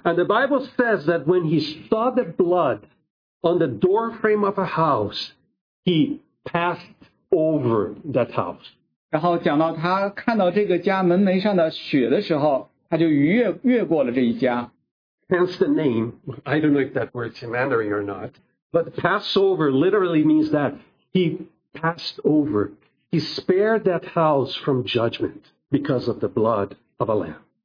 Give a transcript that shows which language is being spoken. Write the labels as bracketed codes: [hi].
[en] and the Bible says that when he saw the blood on the door frame of a house, he passed over that house. [zh] 然后讲到他看到这个家门楣上的血的时候, 他就越过了这一家。 [en] Hence the name, I don't know if that word's in Mandarin or not, but Passover literally means that he passed over. He spared that house from judgment because of the blood of a lamb.